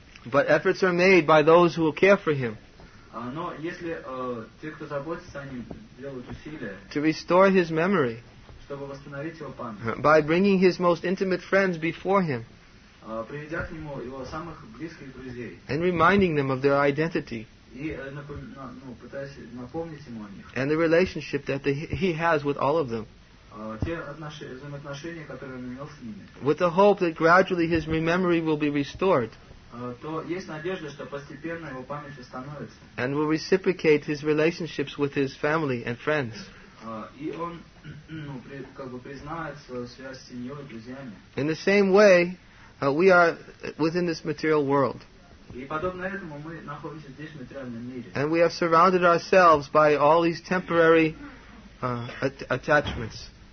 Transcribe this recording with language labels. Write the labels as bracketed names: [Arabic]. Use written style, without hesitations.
[English] But efforts are made by those who will care for him. [Russian] Но если те, кто заботится о нем, делают усилия, [English] to restore his memory, [Russian] чтобы восстановить его память, [English] by bringing his most intimate friends before him, [Russian] приведя к нему его самых близких друзей, [English] and reminding them of their identity, [Russian] и пытаясь напомнить ему о них, [English] and the relationship that he has with all of them, [Russian] те взаимоотношения, которые он имел с ними, [English] with the hope that gradually his memory will be restored. [Russian] То есть надежда, что постепенно его память восстановится. [English] And will reciprocate his relationships with his family and friends. [Russian] И он признает свою связь с семьей и друзьями. [English] In the same way, we are within this material world. [Russian] И подобно этому мы находимся здесь в материальном мире. [English] And we have surrounded ourselves by all these temporary attachments.